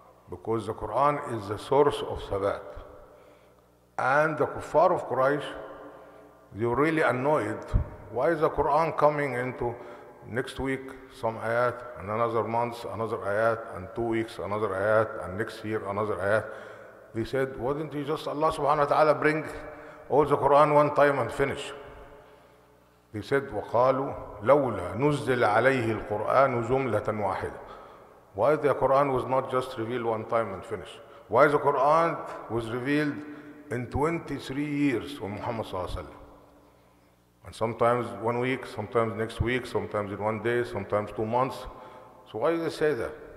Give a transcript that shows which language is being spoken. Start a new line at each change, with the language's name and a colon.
English: Because the Quran is the source of ثبات. And the kuffar of Quraysh, they're really annoyed. Why is the Quran coming into next week some ayat, and another month another ayat, and 2 weeks another ayat, and next year another ayat? They said, why didn't you just Allah subhanahu wa ta'ala bring all the Quran one time and finish? They said,
Arabic: وَقَالُوا لَوْلَا نُزِّلَ عَلَيْهِ الْقُرْآنُ جُمْلَةً وَاحِدًا.
English: Why the Quran was not just revealed one time and finish? Why the Quran was revealed in 23 years when Muhammad sallallahu alayhi wa sallam? And sometimes 1 week, sometimes next week, sometimes in 1 day, sometimes 2 months. So why do they say that?